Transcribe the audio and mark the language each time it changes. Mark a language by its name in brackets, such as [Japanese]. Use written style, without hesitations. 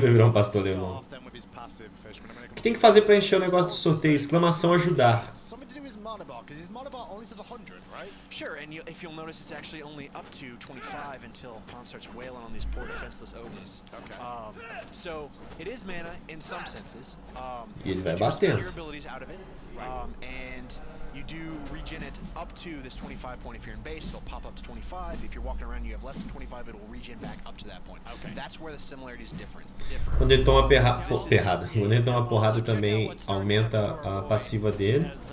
[Portuguese] vai virar um pastor alemão. O que tem que fazer para encher o negócio do sorteio? Exclamação ajudar. [English] mana bar? Because his mana bar only says 100, right? Sure, and if you'll notice, it's actually only up to 25 until Pawn starts wailing on these poor defenseless ogres. Okay. So it is mana in some senses. Your abilities out of it, and you do regen it up to this 25 point. If you're in base, it'll pop up to 25. If you're walking around, you have less than 25, it'll regen back up to that point. Okay. That's where the similarity is different. [Portuguese] Quando ele toma porrada, quando ele toma porrada também aumenta a passiva dele.